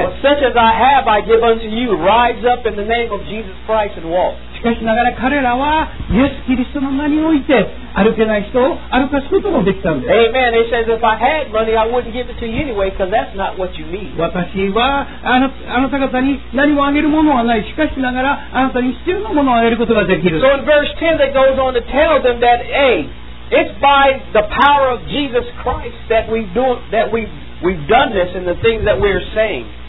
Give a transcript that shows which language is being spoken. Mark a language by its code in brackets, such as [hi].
[en] Well, such as I have, I give unto you. Rise up in the name of Jesus Christ and walk. [ja] しかしながら彼らは、イエス・キリストの名において、歩けない人を歩かすこともできたんです。 [en] Amen. It says, if I had money, I wouldn't give it to you anyway, because that's not what you need. [ja] 私は、あなた方に何もあげるものはない。しかしながら、あなたに必要なものをあげることができる。 [en] So in verse 10, that goes on to tell them that, hey,It's by the power of Jesus Christ that we've done this and the things that we're saying.